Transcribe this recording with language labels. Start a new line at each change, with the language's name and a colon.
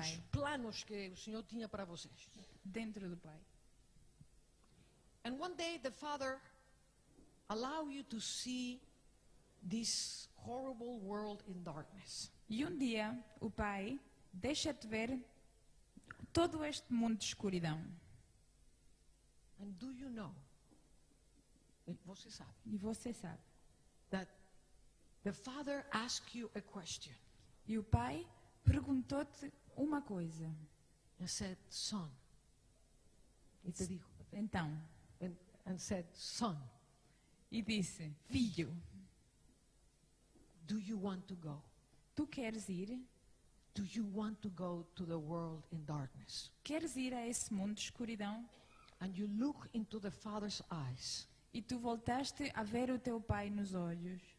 Portuguese: Os planos que o Senhor tinha para vocês. Dentro do Pai.
English: And one day the Father allow you to see this horrible world in darkness.
Portuguese: E dia o Pai deixa-te ver todo este mundo de escuridão.
English: And do you know?
Portuguese: Você sabe. E você sabe.
English: That the Father asked you a question.
Portuguese: E o Pai perguntou-te uma coisa.
English: And said, son.
Portuguese: E te digo. Então.
English: And said, son.
Portuguese: E disse, filho.
English: Do you want to go?
Portuguese: Tu queres ir?
English: Do you want to go to the world in darkness?
Portuguese: Queres ir a esse mundo de escuridão?
English: And you look into the Father's eyes.
Portuguese: E tu voltaste a ver o teu Pai nos olhos.